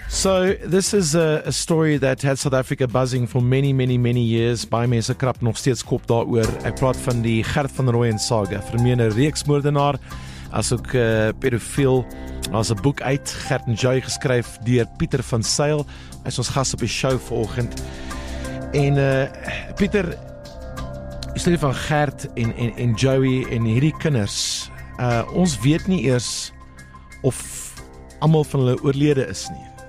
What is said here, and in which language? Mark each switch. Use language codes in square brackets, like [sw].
[en] So this is a story that had South Africa buzzing for many, many, many years. [af] Baie mense krap nog steeds kop daaroor. Ek praat van die Gert van Rooi en saga. Vermeende reeksmoordenaar, as ook pedofiel. Daar's 'n boek uit, Gert en Joy, geskryf deur Pieter van Sail. Hy is ons gas op die show vanoggend. En Pieter, die storie van Gert en Joey en hierdie kinders. Ons weet nie eers of almal van hulle oorlede is nie.